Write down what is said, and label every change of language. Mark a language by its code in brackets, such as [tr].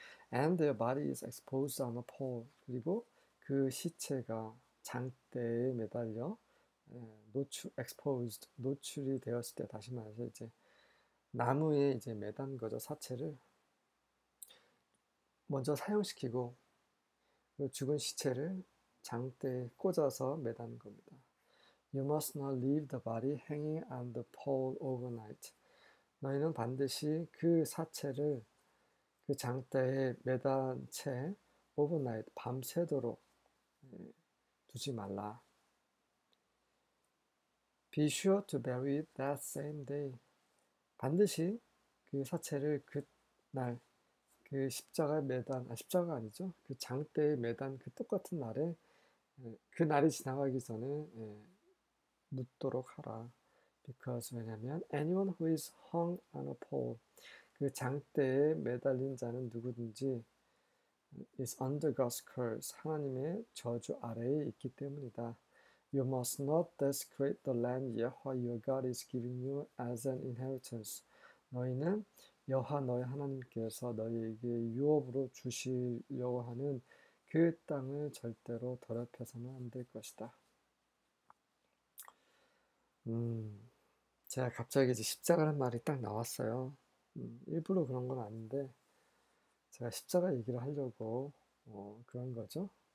[en] And their body is exposed on a pole. [ko] 그리고 그 시체가 장대에 매달려 exposed, 노출이 되었을 때, 다시 말해서 이제 나무에 이제 매단 거죠, 사체를. 먼저 사형시키고 죽은 시체를 장대에 꽂아서 매단 겁니다. [en] You must not leave the body hanging on the pole overnight. [ko] 너희는 반드시 그 사체를 그 장대에 매단 채 오버나잇, 밤새도록 두지 말라. [en] Be sure to bury it that same day. [ko] 반드시 그 사체를 그날 그 십자가에 매단, 십자가 아니죠? 그 장대에 매단 그 똑같은 날에, 그 날이 지나가기 전에 묻도록 하라. [en] Because [ko] 왜냐면 [en] anyone who is hung on a pole, [ko] 그 장대에 매달린 자는 누구든지 [en] is under God's curse, [ko] 하나님의 저주 아래에 있기 때문이다. [en] You must not desecrate the land Yahweh your God is giving you as an inheritance. [ko] 너희는 여호와 너희 하나님께서 너희에게 유업으로 주시려고 하는 그 땅을 절대로 더럽혀서는 안될 것이다. 제가 갑자기 이제 십자가란 말이 딱 나왔어요. 일부러 그런 건 아닌데, 제가 십자가 얘기를 하려고 그런 거죠.